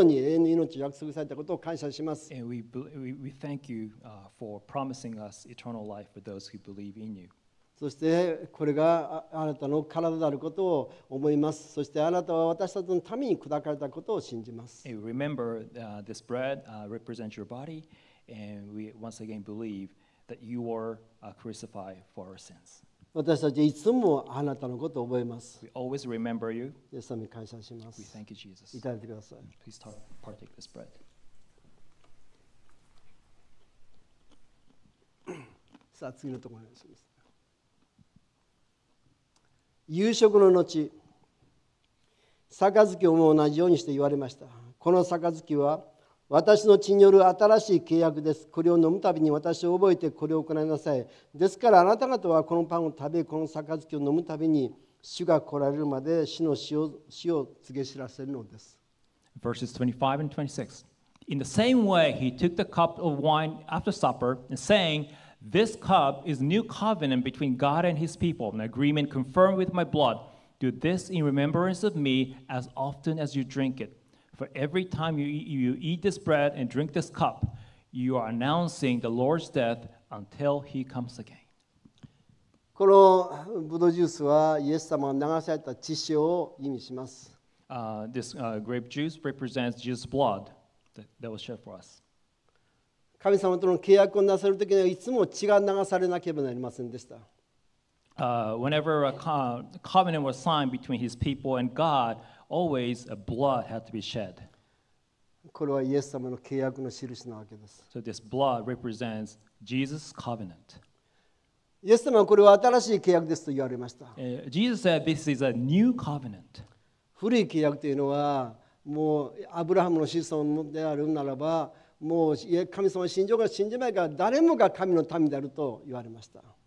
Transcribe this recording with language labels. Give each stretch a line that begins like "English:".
English: Thank you for your crucifixion. And we thank you for promising us eternal life for those who believe in you.
Japanese: そしてこれがあなたの体であることを思います。そしてあなたは私たちのために砕かれたことを信じます。
English: And we remember this bread represents your body, and we once again believe that you were crucified for our sins.
Japanese: 私たちいつもあなたのことを覚えます。
English: We always remember you.
Japanese: イエス様に感謝します。
English: We thank you, Jesus.
Japanese: いただいてください。
English: Please partake this bread.
Japanese: さあ次のところにします。夕食の後、杯をも同じようにして言われました。この杯は私の血による新しい契約です。これを飲むたびに私を覚えてこれを行いなさい。ですからあなた方はこのパンを食べ、この杯を飲むたびに主が来られるまで主の死を告げ知らせるのです。
English: Verses 25 and 26. In the same way, he took the cup of wine after supper, and saying, This cup is new covenant between God and his people, an agreement confirmed with my blood. Do this in remembrance of me as often as you drink it. For every time you eat this bread and drink this cup, you are announcing the Lord's death until he comes again.
Japanese: このブドウジュースはイエス様が流された血潮を意味します。
English: This grape juice represents Jesus' blood that was shed for us.
Japanese: 神様との契約をなさるときにはいつも血が流されなければなりませんでした。
English: Whenever a covenant was signed between his people and God,Always, a blood had to be shed.
Japanese: これはイエス様の契約の印なわけです。
English: So this blood represents Jesus' covenant.
Japanese: イエス様はこれは新しい契約ですと言われました。
English: Jesus said this is a new covenant.
Japanese: 古い契約というのはもうアブラハムの子孫であるならば、もう神様信じようか信じまいか誰もが神の民であると言われました。